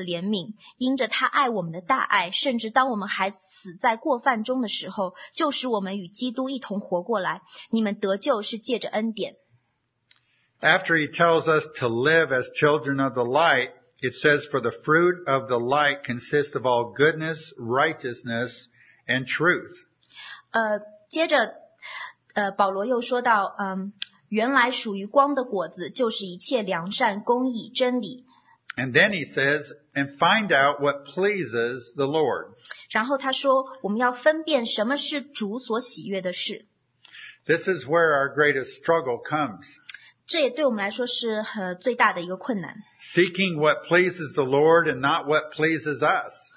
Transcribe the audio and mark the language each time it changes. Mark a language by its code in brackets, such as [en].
[zh] 在其中你们从前行事为人是顺着这世界的潮流，顺着那空中权势的掌权者，就是现今在那些不信从的儿女里面做工的灵。我们从前也都生活在他们中间，生活在自己的肉体的欲望里，行肉体和意念所愿的事。我们正如其他人生来也是震怒之下的儿女，不过神有丰富的怜悯，因着他爱我们的大爱，甚至当我们还 死在过犯中的时候，就使我们与基督一同活过来。你们得救是借着恩典。 [en] After he tells us to live as children of the light, it says, For the fruit of the light consists of all goodness, righteousness, and truth. [zh] 接着保罗又说到, 原来属于光的果子就是一切良善、公义、真理。 [en] And then he says, and find out what pleases the Lord. [zh] 然后他说, 我们要分辨什么是主所喜悦的事。 [en] This is where our greatest struggle comes. [zh] 这也对我们来说是最大的一个困难。 [en] Seeking what pleases the Lord and not what pleases us.